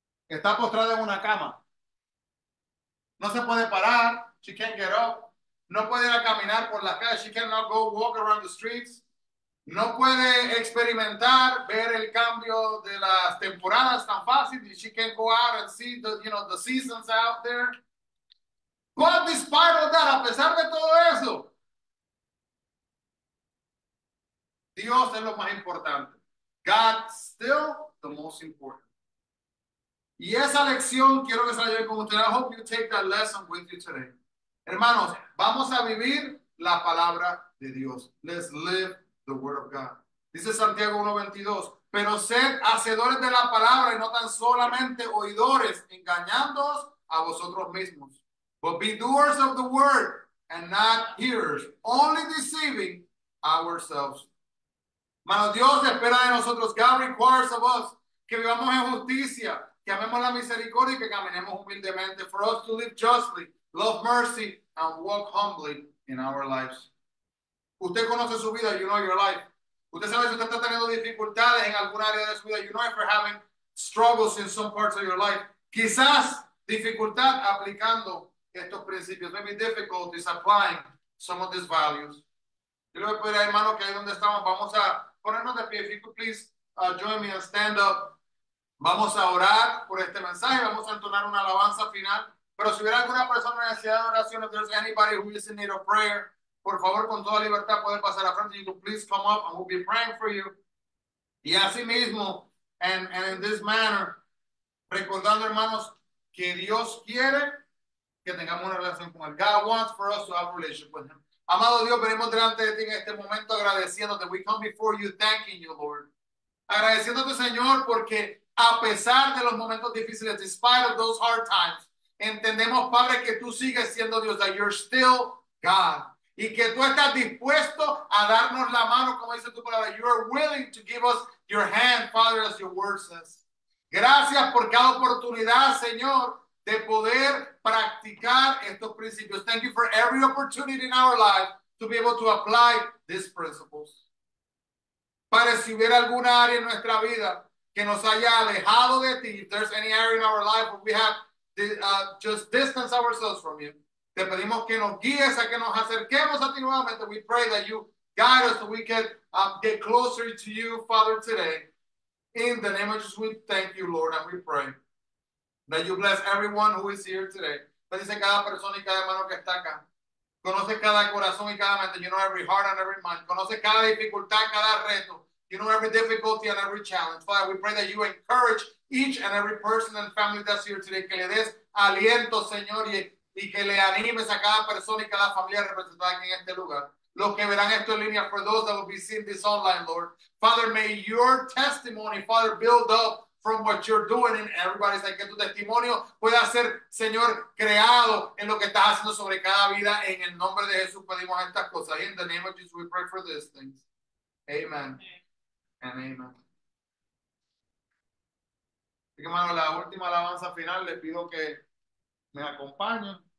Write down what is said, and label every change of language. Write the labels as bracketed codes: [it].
[es] Está postrada en una cama. No se puede parar, [en] she can't get up. [es] No puede ir a caminar por la calle, [en] she cannot go walk around the streets. [es] No puede experimentar, ver el cambio de las temporadas tan fácil. [en] She can't go out and see the seasons out there. But despite all that, [es] a pesar de todo eso, Dios es lo más importante. [en] God still the most important. [es] Y esa lección quiero que se la lleve con usted. [en] I hope you take that lesson with you today. [es] Hermanos, vamos a vivir la palabra de Dios. [en] Let's live the word of God. [es] Dice Santiago 1:22, pero ser hacedores de la palabra y no tan solamente oidores, engañándoos a vosotros mismos. [en] But be doers of the word and not hearers, only deceiving ourselves. [es] Mano, Dios espera de nosotros, [en] God requires of us, [es] que vivamos en justicia, que amemos la misericordia y que caminemos humildemente. [en] For us to live justly, love mercy, and walk humbly in our lives. [es] Usted conoce su vida, [en] you know your life. [es] Usted sabe si usted está teniendo dificultades en alguna área de su vida. [en] You know if you're having struggles in some parts of your life. [es] Quizás dificultad aplicando estos principios. [en] Maybe difficulties applying some of these values. [es] Yo le voy a pedir, hermano, que ahí donde estamos, vamos a ponernos de pie. [en] If you could please join me and stand up. [es] Vamos a orar por este mensaje. Vamos a entonar una alabanza final. Pero si hubiera alguna persona en necesidad de oración, [en] if there's anybody who is in need of prayer, [es] por favor, con toda libertad, pueden pasar a frente. [en] You can please come up and we'll be praying for you. [es] Y así mismo, [en] and in this manner, [es] recordando, hermanos, que Dios quiere que tengamos una relación con Él. [en] God wants for us to have a relationship with Him. [es] Amado Dios, venimos delante de ti en este momento agradeciéndote. [en] We come before you thanking you, Lord. [es] Agradeciéndote, Señor, porque a pesar de los momentos difíciles, [en] despite of those hard times, [es] entendemos, Padre, que tú sigues siendo Dios, [en] that you're still God. [es] Y que tú estás dispuesto a darnos la mano, como dice tu palabra. [en] You are willing to give us your hand, Father, as your word says. [es] Gracias por cada oportunidad, Señor, de poder practicar estos principios. [en] Thank you for every opportunity in our life to be able to apply these principles. [es] Padre, si hubiera alguna área en nuestra vida que nos haya alejado de ti, [en] if there's any area in our life where we have just distanced ourselves from you, [es] te pedimos que nos guíes a que nos acerquemos a ti nuevamente. [en] We pray that you guide us so we can get closer to you, Father, today. In the name of Jesus, we thank you, Lord, and we pray that you bless everyone who is here today. [es] Bendice cada persona y cada hermano que está acá. Conoce cada corazón y cada mente. [en] You know every heart and every mind. [es] Conoce cada dificultad, cada reto. [en] You know every difficulty and every challenge. Father, we pray that you encourage each and every person and family that's here today. [es] Que le des aliento, Señor, y que le animes a cada persona y cada familia representada aquí en este lugar. Los que verán esto en línea, [en] for those that will be seeing this online, Lord. Father, may your testimony, Father, build up from what you're doing in everybody's life. [es] Que tu testimonio pueda ser, Señor, creado en lo que estás haciendo sobre cada vida. En el nombre de Jesús pedimos estas cosas. [en] In the name of Jesus, we pray for these things. Amen. And amen. [es] Así que, hermano, la última alabanza final, les pido que me acompañen.